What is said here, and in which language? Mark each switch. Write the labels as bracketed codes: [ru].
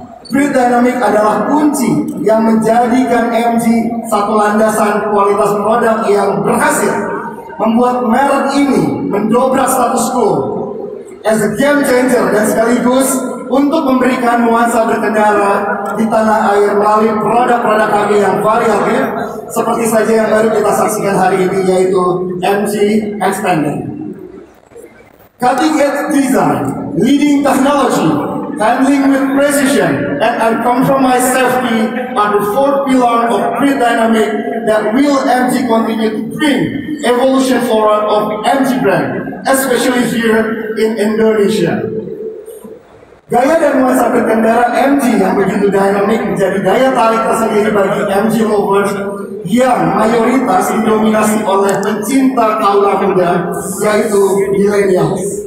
[id] Grid dynamic adalah kunci yang menjadikan MG satu landasan kualitas produk yang berhasil membuat merek ini mendobrak status quo [en] as a game changer [id] dan sekaligus untuk memberikan nuansa berkendara di tanah air melalui produk-produk kami yang variatif seperti saja yang baru kita saksikan hari ini, yaitu MG Extender. [en] Cutting edge design, leading technology, handling with precision and uncompromised safety are the four pillars of grid dynamic that will MG continue to bring evolution forward of MG brand, especially here in Indonesia. [id] Gaya dan nuansa berkendara MG yang begitu dynamic menjadi daya tarik tersendiri bagi MG lovers yang mayoritas didominasi oleh pencinta kaula muda, yaitu millennials.